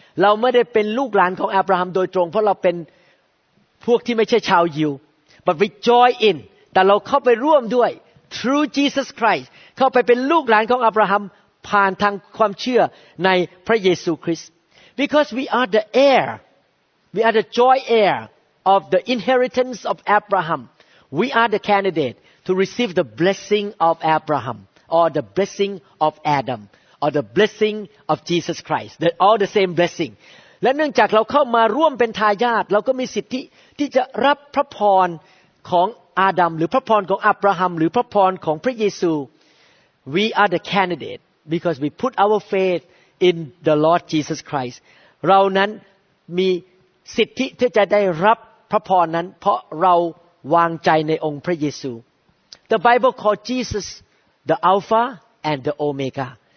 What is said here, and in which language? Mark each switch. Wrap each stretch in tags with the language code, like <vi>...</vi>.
<th>เราไม่ได้เป็นลูกหลานของอับราฮัมโดยตรงเพราะเราเป็นพวกที่ไม่ใช่ชาวยิว</th> <en>But we join in.</en> <th>แต่เราเข้าไปร่วมด้วย</th> <en>through Jesus Christ.</en> <th>เข้าไปเป็นลูกหลานของอับราฮัมผ่านทางความเชื่อในพระเยซูคริสต์</th> <en>Because we are the heir. We are the joint heir of the inheritance of Abraham. We are the candidate to receive the blessing of Abraham or the blessing of Adam. Or the blessing of Jesus Christ, that all the same blessing.</en> <th>และเนื่องจากเราเข้ามาร่วมเป็นทายาทเราก็มีสิทธิที่จะรับพระพรของอาดัมหรือพระพรของอับราฮัมหรือพระพรของพระเยซู</th> <en>We are the candidate because we put our faith in the Lord Jesus Christ.</en> <th>เรานั้นมีสิทธิที่จะได้รับพระพรนั้นเพราะเราวางใจในองค์พระเยซู</th> <en>The Bible calls Jesus the Alpha and the Omega.</en>